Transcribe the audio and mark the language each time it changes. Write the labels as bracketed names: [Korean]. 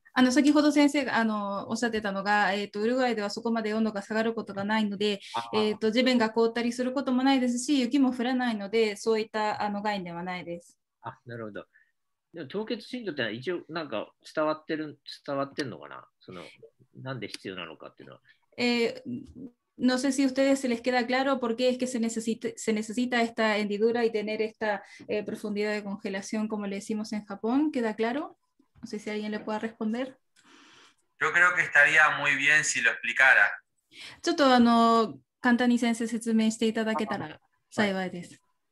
[Japanese] 先ほど先生がおっしゃってたのが、ウルグアイではそこまで温度が下がることがないので、地面が凍ったりすることもないですし、雪も降らないので、そういった概念はないです。あ、なるほど。でも凍結深度ってのは一応なんか伝わってるのかな？その、なんで必要なのかっていうのは。 [Spanish] No sé si a ustedes se les queda claro por qué es que se necesita esta hendidura y tener esta profundidad de congelación, como le decimos en Japón. ¿Queda claro? No sé si alguien le pueda responder. Yo creo que estaría muy bien si lo explicara. [Japanese] ちょっと簡単に先生説明していただけたら幸いです。